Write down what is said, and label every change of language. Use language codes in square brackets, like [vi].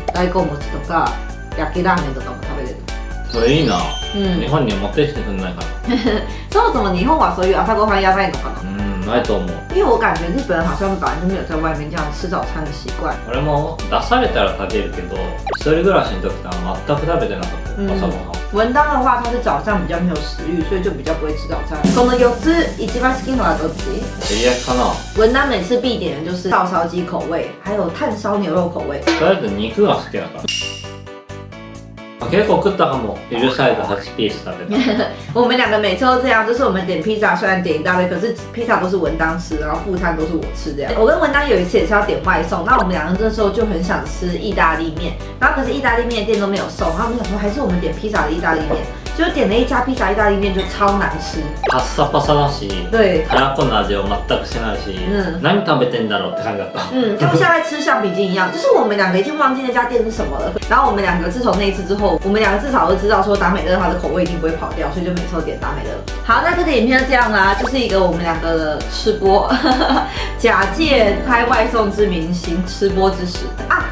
[ja] 大概もちとか焼きラーメンとかも食べれる。それいいな。嗯。日本に持ってきてくんないかな。そもそも日本はそういう朝ごはんやばいのかな。ないと思う。 [zh] 因为我感觉日本人好像本来就没有在外面这样吃早餐的习惯。 [ja] 俺も出されたら食べるけど、一人暮らしの時は全く食べてなかった朝ごはん。 [zh] 文章的话，他是早上比较没有食欲，所以就比较不会吃早餐。 [ja] この四つ一番好きなのはどっち？照り焼きかな。 [zh] 文章每次必点的就是照烧鸡口味，还有炭烧牛肉口味。 [ja] とりあえず肉が好きだから。結構食ったかも。 L サイズ8ピース食べた。 [zh] 我们两个每次都这样，就是我们点披萨，虽然点一大杯，可是披萨都是文章吃，然后副餐都是我吃这样。我跟文章有一次也是要点外送，那我们两个这时候就很想吃意大利面，然后可是意大利面的店都没有送，然后我们想说还是我们点披萨的意大利面，就点了一家披萨意大利面就超难吃。 [ja] パサパサだし。 [zh] 对。 [ja] タラコの味を全くしないし。 [zh] 嗯。 [ja] 何食べてんだろうって感じだった。 [zh] 嗯，就像在吃橡皮筋一样，就是我们两个已经忘记那家店是什么了。然后我们两个自从那一次之后，我们两个至少都知道说达美乐它的口味一定不会跑掉，所以就每次都点达美乐。好，那这个影片就这样啦，就是一个我们两个的吃播，假借拍外送之名行吃播之实啊。